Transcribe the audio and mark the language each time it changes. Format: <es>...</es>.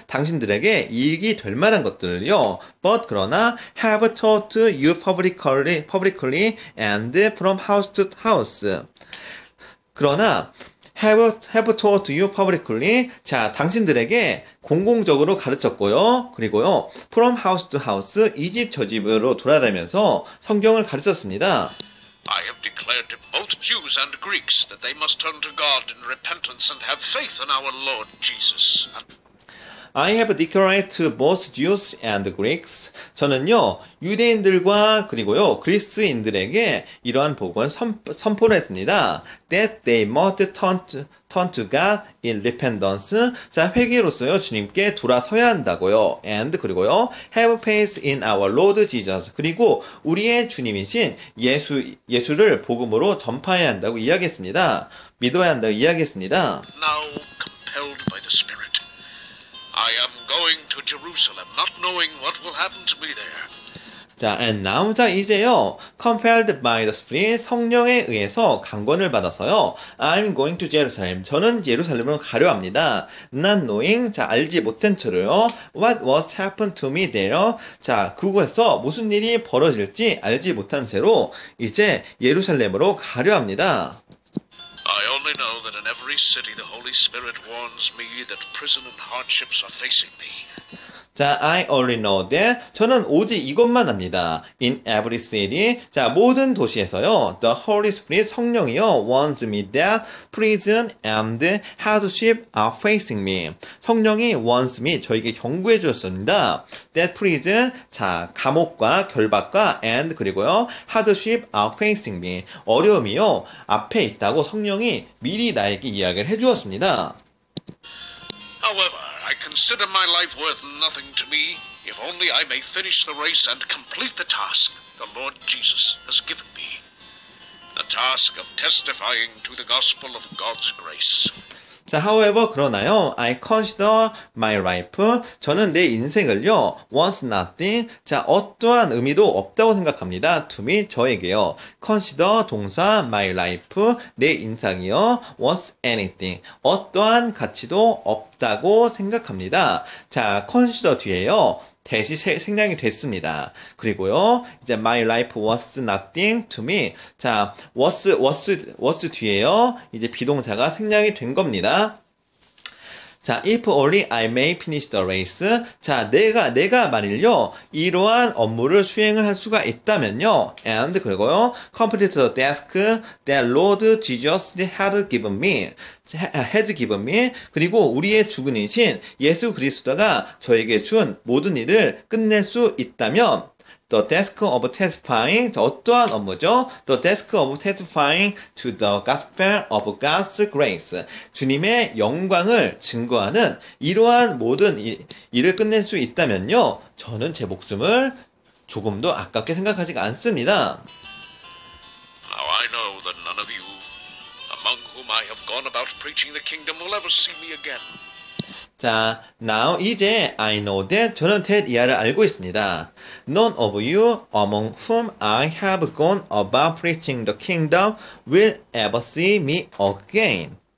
<ko>당신들에게 이익이 될 만한 것들을요.</ko> <en>But</en> <ko>그러나</ko> <en>have taught you publicly and from house to house. 그러나 have taught you publicly.</en> <ko>자, 당신들에게 공공적으로 가르쳤고요. 그리고요.</ko> <en>From house to house,</en> <ko>이 집 저 집으로 돌아다니면서 성경을 가르쳤습니다.</ko> <en>I have declared to both Jews and Greeks that they must turn to God in repentance and have faith in our Lord Jesus. I have declared to both Jews and Greeks.</en> <ko>저는요, 유대인들과 그리고요, 그리스인들에게 이러한 복음을 선포를 했습니다.</ko> <en>That they must turn to God in repentance.</en> <ko>자, 회개로서요, 주님께 돌아서야 한다고요.</ko> <en>And</en> <ko>그리고요,</ko> <en>have faith in our Lord Jesus.</en> <ko>그리고 우리의 주님이신 예수를 복음으로 전파해야 한다고 이야기했습니다. 믿어야 한다고 이야기했습니다.</ko> <en>Now compelled by the Spirit. I am going to Jerusalem, not knowing what will happen to me there. 자, and now, 자, 이제요, compelled by the Spirit,</en> <ko>성령에 의해서 강권을 받아서요,</ko> <en>I'm going to Jerusalem,</en> <ko>저는 예루살렘으로 가려 합니다.</ko> <en>Not knowing,</en> <ko>자, 알지 못한 채로요,</ko> <en>what was happened to me there,</en> <ko>자, 그곳에서 무슨 일이 벌어질지 알지 못한 채로, 이제 예루살렘으로 가려 합니다.</ko> <en>I only know that in every city the Holy Spirit warns me that prison and hardships are facing me. 자, I only know that</en> <ko>저는 오직 이것만 압니다.</ko> <en>In every city, 자,</en> <ko>모든 도시에서요,</ko> <en>the Holy Spirit</en> <ko>성령이요</ko> <en>warns me that prison and hardship are facing me.</en> <ko>성령이</ko> <en>warns me</en> <ko>저에게 경고해 주었습니다.</ko> <en>That prison,</en> <ko>자, 감옥과 결박과 and 그리고요</ko> <en>hardship are facing me.</en> <ko>어려움이요 앞에 있다고 성령이 미리 나에게 이야기를 해 주었습니다.</ko> <en>However, I consider my life worth nothing to me if only I may finish the race and complete the task the Lord Jesus has given me. The task of testifying to the gospel of God's grace.</en> <ko>자,</ko> <en>however,</en> <ko>그러나요,</ko> <en>I consider my life,</en> <ko>저는 내 인생을요,</ko> <en>once nothing,</en> <ko>자, 어떠한 의미도 없다고 생각합니다.</ko> <en>To me,</en> <ko>저에게요. Consider 동사</ko> <en>my life,</en> <ko>내 인생이요,</ko> <en>once anything,</en> <ko>어떠한 가치도 없다고 생각합니다. 자, consider 뒤에요. 대시 생략이 됐습니다. 그리고요, 이제</ko> <en>my life was nothing to me.</en> <ko>자, was 뒤에요, 이제 비동사가 생략이 된 겁니다.</ko> <en>자, if only I may finish the race.</en> <ko>자, 내가 만일요, 이러한 업무를 수행을 할 수가 있다면요.</ko> <en>And,</en> <ko>그리고요,</ko> <en>complete the task that Lord Jesus had given me. has given me.</en> <ko>그리고 우리의 주군이신 예수 그리스도가 저에게 준 모든 일을 끝낼 수 있다면,</ko> <en>The task of testifying,</en> <ko>어떠한 업무죠?</ko> <en>The task of testifying to the gospel of God's grace.</en> <ko>주님의 영광을 증거하는 이러한 모든 일을 끝낼 수 있다면요. 저는 제 목숨을 조금도 아깝게 생각하지 않습니다.</ko> <en>Now I know that none of you, among whom I have gone about preaching the kingdom, will ever see me again.</en> <ko>자, now, 이제,</ko> <en>I know that,</en> <ko>저는 that 이하를 알고 있습니다.</ko> <en>None of you among whom I have gone about preaching the kingdom will ever see me again.</en>